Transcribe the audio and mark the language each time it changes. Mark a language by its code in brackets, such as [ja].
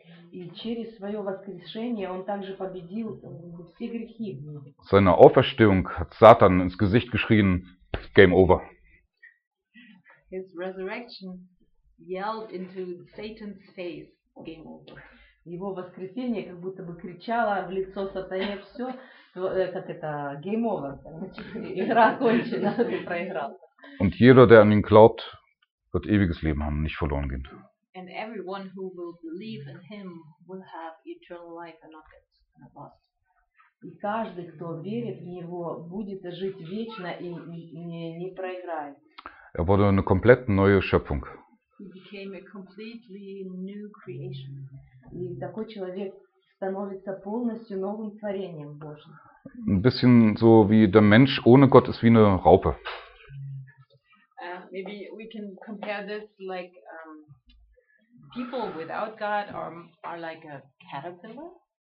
[ru] И через свое воскрешение он также победил все грехи. [de] Seine Auferstehung hat Satan ins Gesicht geschrien, [en] game over. His resurrection yelled into Satan's face, game over. [ru] Его воскресение как будто бы кричало в лицо сатане, все, как это, [en] game over, [ru] игра окончена, ты проиграл. [de] Und jeder, der an ihn glaubt, wird ewiges Leben haben, nicht verloren gehen. [en] And everyone who will believe in him will have eternal life and not get lost. [ru] И каждый, кто верит в него, будет жить вечно и не проиграет. [de] Er wurde eine komplett neue Schöpfung. [en] He became a completely new creation. [ru] И такой человек становится полностью новым творением Божьим. [de] Ein bisschen so wie der Mensch ohne Gott ist wie eine Raupe. [en] Maybe we can compare this like people without God are like a caterpillar.